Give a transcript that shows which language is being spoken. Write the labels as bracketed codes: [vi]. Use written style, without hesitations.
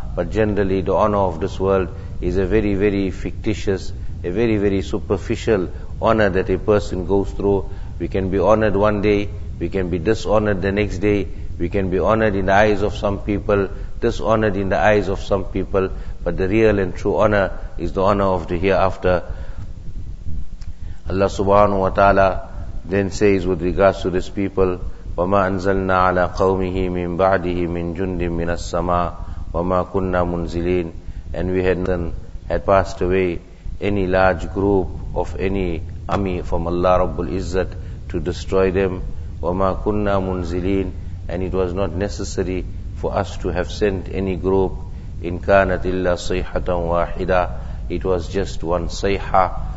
[en] But generally the honor of this world is a very, very fictitious, a very, very superficial honor that a person goes through. We can be honored one day, we can be dishonored the next day, we can be honored in the eyes of some people, dishonored in the eyes of some people, but the real and true honor is the honor of the hereafter. Allah subhanahu wa ta'ala then says with regards to this people, [ar] وَمَا أَنزَلْنَا عَلَىٰ قَوْمِهِ مِنْ بَعْدِهِ مِنْ جُنْدٍ مِنَ السَّمَاءِ وَمَا كُنَّا مُنزِلِينَ. [en] And we had passed away any large group of any army from Allah Rabbul Izzat to destroy them. [ar] وَمَا كُنَّا مُنزِلِينَ. [en] And it was not necessary for us to have sent any group. [ar] إِن كَانَتْ إِلَّا صَيْحَةً وَاحِدًا. [en] It was just one sayha.